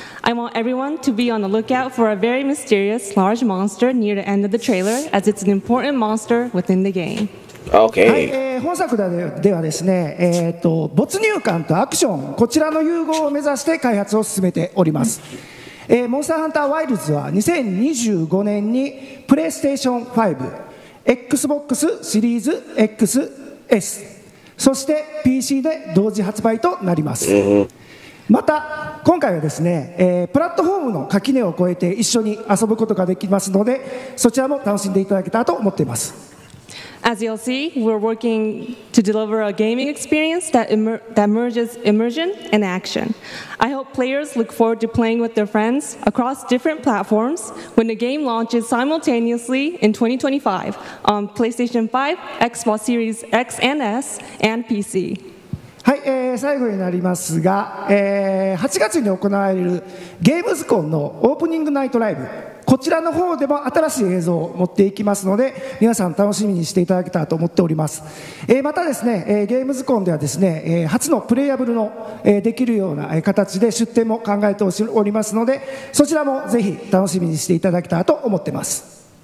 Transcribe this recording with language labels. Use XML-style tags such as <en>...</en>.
<en>I want everyone to be on the lookout for a very mysterious large monster near the end of the trailer, as it's an important monster within the game. Okay.</en> <ja>はい、本作ではですね、没入感とアクション、こちらの融合を目指して開発を進めております。モンスターハンターワイルズは2025年にプレイステーション5、Xbox シリーズ XS、そして PC で同時発売となります。また今回はですね、プラットフォームの垣根を越えて一緒に遊ぶことができますので、そちらも楽しんでいただけたらと思っています。</ja> <en>As you'll see, we're working to deliver a gaming experience that merges immersion and action. I hope players look forward to playing with their friends across different platforms when the game launches simultaneously in 2025 on PlayStation 5, Xbox Series X and S, and PC.</en> <ja>はい、最後になりますが、8月に行われるゲームズコンのオープニングナイトライブ、こちらの方でも新しい映像を持っていきますので、皆さん楽しみにしていただけたらと思っております。またですね、ゲームズコンではですね、初のプレイアブルの、できるような形で出展も考えておりますので、そちらもぜひ楽しみにしていただけたらと思っています。</ja>